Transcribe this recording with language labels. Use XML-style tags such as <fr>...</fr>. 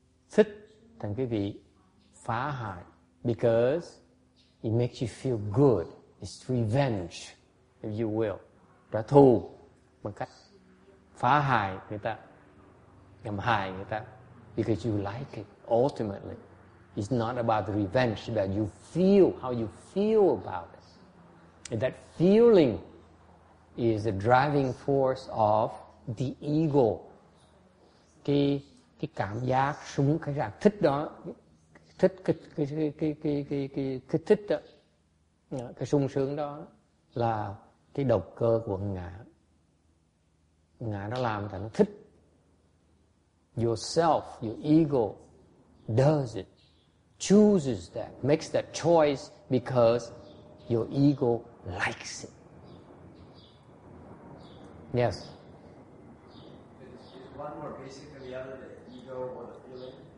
<vi>Thích thành cái vị phá hại.</vi> <en>Because it makes you feel good. It's revenge, if you will.</en> <vi>Trả thù bằng cách phá hại người ta, nhằm hại người ta.</vi> <en>Because you like it, ultimately. It's not about the revenge, it's about you feel, how you feel about it. And that feeling is the driving force of the ego.</en> <vi>Cái cảm giác súng cái rạc thích đó, thích cái thích đó, cái sung sướng đó là cái động cơ của ngã. Ngã nó làm thành nó thích.</vi> <en>Yourself, your ego does it, chooses that, makes that choice because your ego likes it. Yes. It's one more basic than the other, the ego or the feeling.</en>